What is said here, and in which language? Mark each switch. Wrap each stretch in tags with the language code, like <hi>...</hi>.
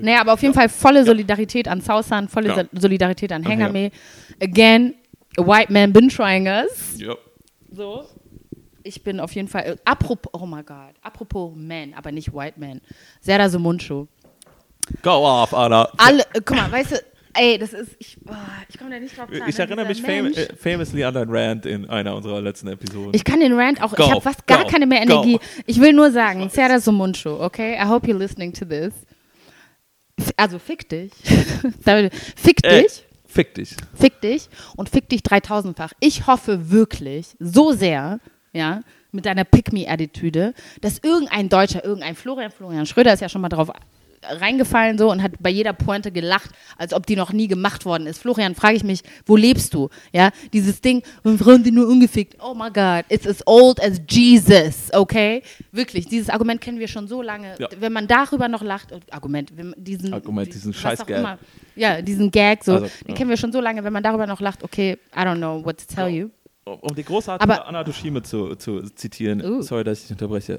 <de>Naja, aber auf jeden Fall volle Solidarität an Sausan, volle Solidarität an Hengame.</de> <en>Again, a white man been trying us. Yep.</en> <de>So, ich bin auf jeden Fall, apropos,</de> <en>oh my God,</en> <de>apropos man, aber nicht</de> <en>white man.</en> <de>Serdar Somuncu.</de> <en>Go off, Anna.</en> <de>Guck mal, weißt du, ey, das ist, ich komme da nicht drauf klar. Ich erinnere mich</de> <en>famously</en> <de>an dein Rant in einer unserer letzten Episoden. Ich kann den Rant auch,</de> <en>go,</en> <de>ich habe fast gar</de> <en>go,</en> <de>keine mehr Energie.</de> <en>Go.</en> <de>Ich will nur sagen, Serdar Somuncu, okay?</de> <en>I hope you're listening to this.</en> <de>Also fick dich. Fick dich. Fick dich. Fick dich und fick dich 3000-fach. Ich hoffe wirklich so sehr, ja, mit deiner Pick-me-Attitüde, dass irgendein Deutscher, irgendein Florian Schröder ist ja schon mal drauf reingefallen so und hat bei jeder Pointe gelacht, als ob die noch nie gemacht worden ist. Florian, frage ich mich, wo lebst du? Ja, dieses Ding, Frauen sind nur ungefickt.</de> <en>Oh my God, it's as old as Jesus, okay?</en> <de>Wirklich, dieses Argument kennen wir schon so lange. Ja. Wenn man darüber noch lacht, diesen Scheiß-Gag. Immer, ja, diesen Gag, so, also, den kennen wir schon so lange. Wenn man darüber noch lacht,</de> <en>okay, I don't know what to tell you.</en> <de>Um die großartige Anna Tushime zu zitieren, sorry, dass ich unterbreche.</de>